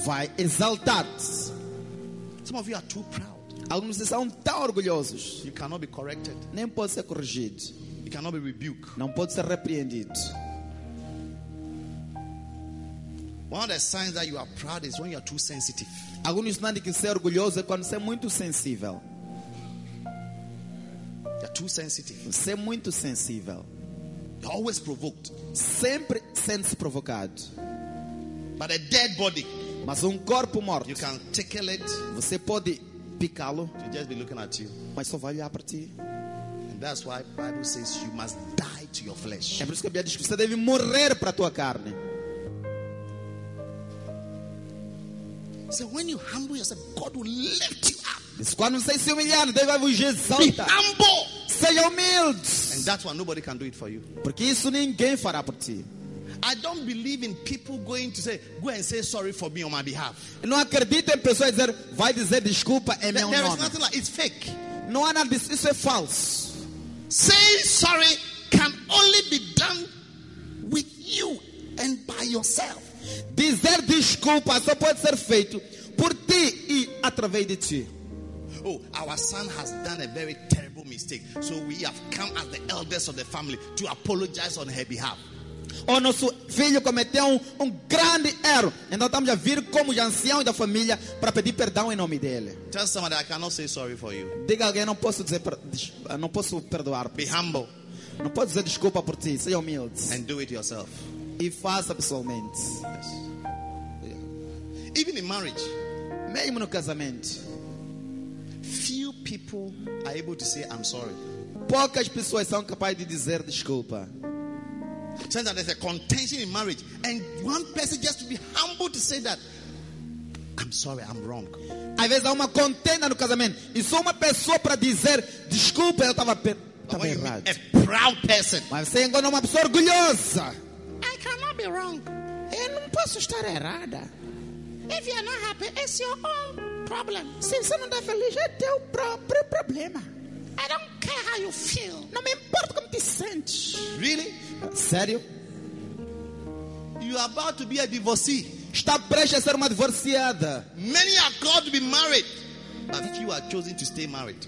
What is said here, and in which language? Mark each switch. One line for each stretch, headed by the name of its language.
Portuguese: Vai exaltar-te.
English: Some of you are too proud.
Portuguese: Alguns de vocês são tão orgulhosos.
English: You cannot be corrected.
Portuguese: Nem pode ser corrigido.
English: You cannot be rebuked.
Portuguese: Não pode ser repreendido.
English: One of the signs that you are proud is when you are too sensitive.
Portuguese: Alguns sinais de que ser orgulhoso é quando você é muito sensível.
English: You are too sensitive.
Portuguese: Você é muito sensível.
English: You're always provoked.
Portuguese: Sempre sente-se provocado.
English: But a dead body.
Portuguese: Mas corpo morto.
English: You can tickle it.
Portuguese: Você pode picá-lo.
English: He'll just be looking at you.
Portuguese: Mas só vai olhar para ti.
English: And that's why the Bible says you must die to your flesh.
Portuguese: É por isso que a Bíblia diz que você deve morrer para a tua carne.
English: So when you humble yourself, God will lift you up.
Portuguese: Quando você se humilhar, Deus vai vos exaltar.
English: Be humble.
Portuguese: Seja humilde.
English: And that's why nobody can do it for you.
Portuguese: Porque isso ninguém fará por ti.
English: I don't believe in people going to say, go and say sorry for me on my behalf.
Portuguese: Não acredito em pessoas dizer, vai dizer desculpa em meu nome.
English: There is nothing like it's fake.
Portuguese: Não há nada disso. Isso é falso.
English: Saying sorry can only be done with you and by yourself.
Portuguese: Dizer desculpa só pode ser feito por ti e através de ti.
English: Oh, our son has done a very terrible mistake, so we have come as the elders of the family to apologize on her behalf.
Portuguese: Oh, nosso filho cometeu um grande erro, então estamos a vir como os anciãos da família para pedir perdão em nome dele.
English: Tell somebody I cannot say sorry for you.
Portuguese: Diga a alguém, não posso dizer, não posso perdoar.
English: Be humble.
Portuguese: Não posso dizer desculpa por ti. Seja humilde.
English: And do it yourself.
Portuguese: E faça pessoalmente.
English: Yes. Yeah. Even in marriage,
Portuguese: mesmo no casamento,
English: few people are able to say I'm sorry.
Portuguese: poucas pessoas são capazes de dizer desculpa.
English: Sometimes there's a contention in marriage, and one person just to be humble to say that I'm sorry, I'm wrong.
Portuguese: Às vezes há uma contenda no casamento e só uma pessoa para dizer desculpa, eu estava errado.
English: A proud person.
Portuguese: Mas você encontra uma pessoa orgulhosa.
English: I cannot be wrong.
Portuguese: Eu não posso estar errada.
English: If you're not happy, it's your own problem.
Portuguese: Se você não está feliz, é teu próprio problema.
English: I don't care how you feel.
Portuguese: Não me importa como te sentes.
English: Really?
Portuguese: Sério?
English: You are about to be a divorcee.
Portuguese: Está prestes a ser uma divorciada.
English: Many are called to be married, but few are chosen to stay married.